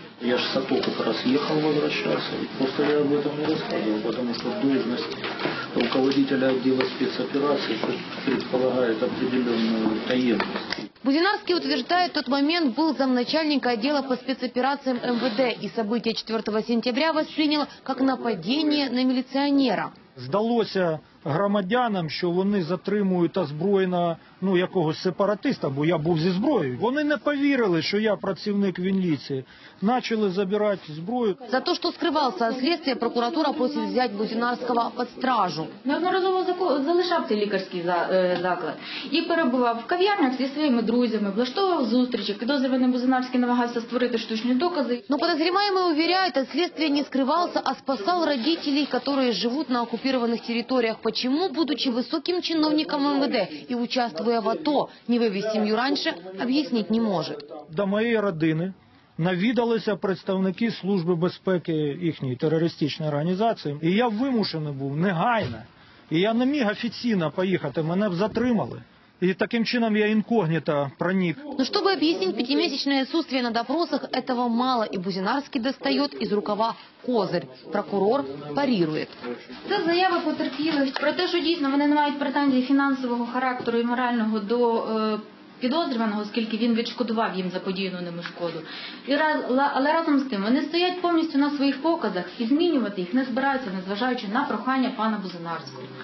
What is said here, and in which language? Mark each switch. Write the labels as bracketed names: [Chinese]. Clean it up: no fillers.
[Russian] Я же с АТО как раз ехал возвращаться. Просто я об этом не рассказывал, потому что должность руководителя отдела спецопераций предполагает определенную таинственность. Бузинарский утверждает, в тот момент был замначальника отдела по спецоперациям МВД и события 4 сентября воспринял как нападение на милиционера. [Ukrainian] Здалося громадянам, що вони затримують озброєного, ну, якогось сепаратиста, бо я був зі зброєю. Вони не повірили, що я працівник Вінліці. Начали забирати зброю. За те, що скривався від слідства, прокуратура просить взяти Бузинарського під стражу. Неодноразово залишав цей лікарський заклад і перебував в кав'ярнях зі своїми друзями, влаштовував зустрічі. Підозрюваний Бузинарський намагався створити штучні докази. [Russian] Но подозреваемый уверяет, от следствия не скрывался, а спасал родителей, которые живут на оккупированных территориях. Почему, будучи высоким чиновником МВД и участвуя в АТО, не вывез семью раньше, объяснить не может. До моей [Ukrainian] родины навідалися представники Служби безпеки їхньої терористичної організації. І я вимушений був негайно. І я не міг офіційно поїхати, мене б затримали. [Russian] И [Ukrainian] таким чином [Russian] я инкогнито проник. Но чтобы объяснить 5-месячное отсутствие на допросах, этого мало. И Бузинарский достает из рукава козырь. Прокурор парирует. Это заява потерпілих про то, что действительно они не имеют претензий финансового характера и морального [Ukrainian] до підозрюваного, оскільки він відшкодував їм за подіяну ними шкоду. Але разом з тим, вони стоять повністю на своїх показах і змінювати їх не збираються, незважаючи на прохання пана Бузинарського.